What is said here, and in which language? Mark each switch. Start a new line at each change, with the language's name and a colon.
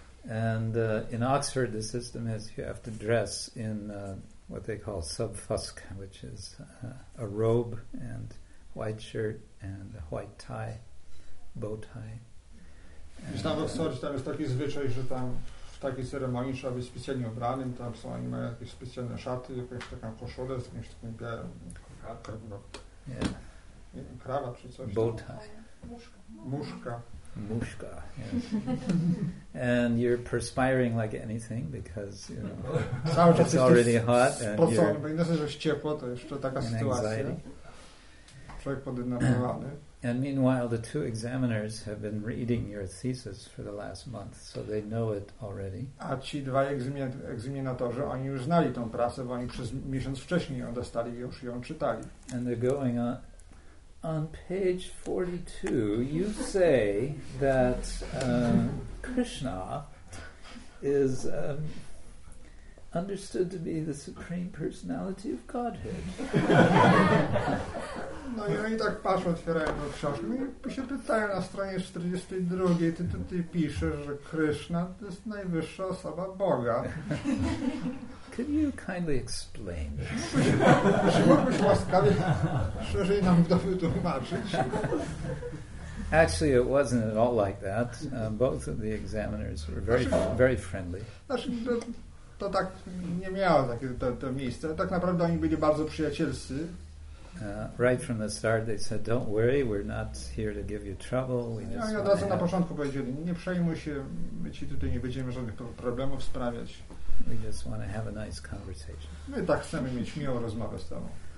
English: And in Oxford the system is you have to dress in what they call subfusc, which is a robe and white shirt and a white tie. bow tie.
Polish: Już tam w Oksfordzie tam jest taki zwyczaj, że tam w takiej ceremonii trzeba być specjalnie ubranym, tam są, oni mają jakieś specjalne szaty, jakąś taką koszulę z jakimś takim białym krawat czy coś.
English: Bow tie.
Polish: Muszka. Muszka,
English: yes. And you're perspiring like anything because you know it's already hot and And meanwhile, the two examiners have been reading your thesis for the last month, so they know it already.
Polish: A ci dwaj egzaminatorzy, oni już znali tą pracę, bo oni przez miesiąc wcześniej ją dostali, już ją czytali.
English: And they're going on. On page 42, you say that Krishna is understood to be the Supreme Personality of Godhead.
Polish: No i oni tak patrzą, otwierają tą książkę i się pytają na stronie 42, ty tutaj piszesz, że Krishna to jest najwyższa osoba Boga.
English: Can you kindly explain this?
Polish: Czy mógłbyś łaskawie szerzej nam to wytłumaczyć?
English: Actually, it wasn't at all like that. Both of the examiners were very, very friendly.
Polish: To tak nie miało takie to miejsce. Tak naprawdę oni byli bardzo przyjacielscy.
English: Right from the start, they said, "Don't worry, we're not here to give you trouble." We just.
Polish: Oni od razu na początku powiedzieli, nie przejmuj się, my ci tutaj nie będziemy żadnych problemów sprawiać.
English: We just want to have a nice conversation.
Polish: My tak chcemy mieć miłą rozmowę z tobą.